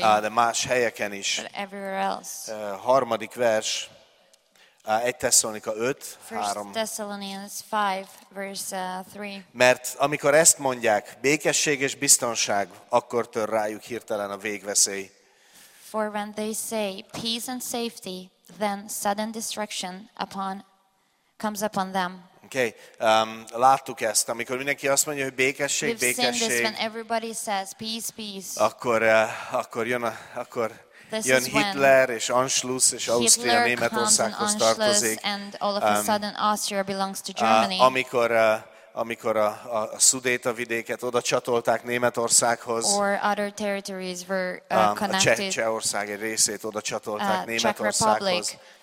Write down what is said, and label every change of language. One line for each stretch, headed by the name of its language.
Hungarian: De más helyeken is.
English: But everywhere else.
Hungarian: Harmadik vers. 1 Tesszalonika 5,
English: 3. Thessalonians 5, verse 3.
Hungarian: Mert amikor ezt mondják, békesség és biztonság, akkor tör rájuk hirtelen a végveszély.
English: For when they say peace and safety, then sudden destruction comes upon them.
Hungarian: Okay, láttuk ezt, amikor mindenki azt mondja, hogy békesség,
English: we've
Hungarian: békesség.
English: Seen this when everybody says peace, peace.
Hungarian: Akkor this jön Hitler és Anschluss és Ausztria Németországhoz tartozik.
English: And all of a sudden Austria belongs to Germany.
Hungarian: Amikor a Szudéta vidéket oda csatolták Németországhoz.
English: Or other territories were connected.
Hungarian: Csehország egy részét oda csatolták Németországhoz.